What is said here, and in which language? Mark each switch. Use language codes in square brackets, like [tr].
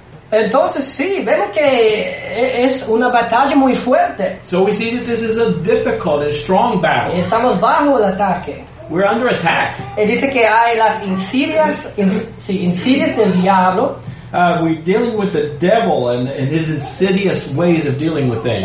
[es] Entonces, sí, vemos que es una batalla muy fuerte. [en] So we see that this is a difficult and strong battle. [es] Estamos bajo el ataque. [en] We're under attack. [es] Y dice que hay las insidias del diablo. [en] We're dealing with the devil and his insidious ways of dealing with things.